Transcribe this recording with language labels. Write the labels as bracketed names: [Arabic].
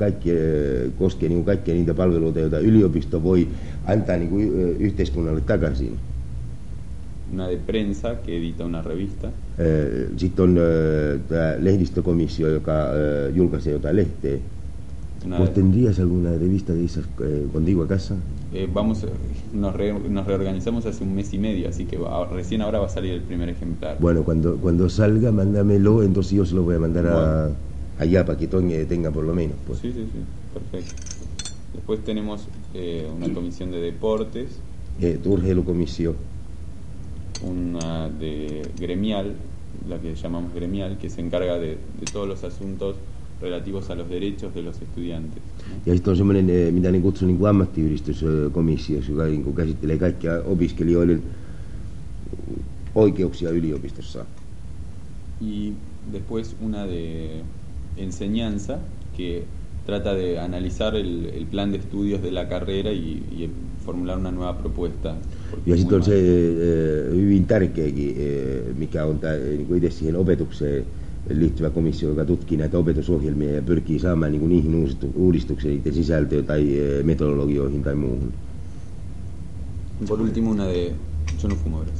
[Finnish] Kaikki koskee kaikkia niitä palveluita, joita yliopisto voi antaa yhteiskunnalle takaisin. [Spanish] Una de prensa que edita una revista. [Finnish] Sitten on tämä lehdistökomissio, joka julkaisee jotain lehteä. [Spanish] ¿Vos tendrías alguna revista de esas contigo a casa? Nos reorganizamos hace un mes y medio, así que recién ahora va a salir el primer ejemplar. Bueno, cuando salga, mándamelo, entonces yo se lo voy a mandar allá para que tenga por lo menos. Pues. Sí, sí, sí, perfecto. Después tenemos una comisión de deportes. Tu urgelucomisión. Una de gremial, la que llamamos gremial, que se encarga de todos los asuntos relativos a los derechos de los estudiantes. [Finnish] Ja sitten on semmoinen, mitä niin kutsuu niin ammattiyhdistyskomissiossa, joka niin kuin käsittelee kaikkia opiskelijoiden oikeuksia yliopistossa. [Spanish] Y después una de enseñanza, que trata de analizar el plan de estudios de la carrera y formular una nueva propuesta. [Finnish] Ja sitten on se hyvin tärkeäkin, mikä on itse siihen opetukseen liittyvä komissio, joka tutkii näitä opetusohjelmia ja pyrkii saamaan niihin uudistuksia, niiden sisältöön tai metodologioihin tai muuhun. [Spanish] Por último, una de... Yo no fumo, ¿verdad?